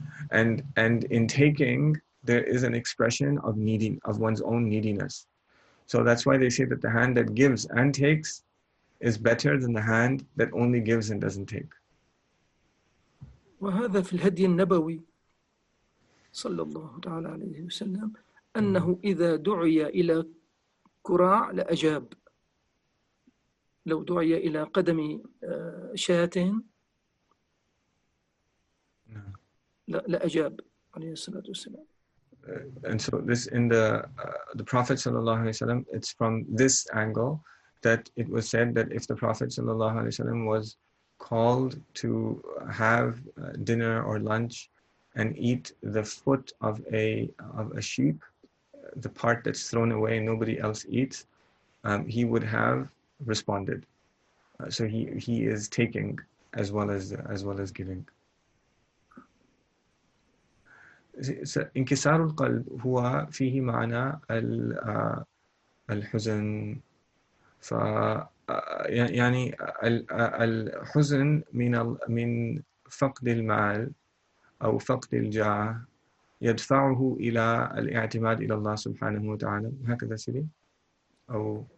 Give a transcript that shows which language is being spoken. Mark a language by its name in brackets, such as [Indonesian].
[English] And in taking, there is an expression of needing, of one's own neediness. So that's why they say that the hand that gives and takes is better than the hand that only gives and doesn't take. [Arabic] وهذا في الهدي النبوي صلى الله تعالى عليه وسلم أنه إذا دعي إلى كراع لأجاب، لو دعي إلى قدم شاتين لأجاب عليه الصلاة والسلام. [English] And so this in the Prophet [Arabic] صلى الله عليه وسلم, [English] it's from this angle that it was said that if the Prophet صلى الله عليه وسلم was called to have dinner or lunch and eat the foot of a sheep, the part that's thrown away and nobody else eats, he would have responded. So he is taking as well as giving. [Arabic] انكسار القلب هو فيه معنى الحزن. ف يعني الحزن من فقد المال أو فقد الجاه يدفعه إلى الاعتماد إلى الله سبحانه وتعالى، هكذا سيدي؟ أو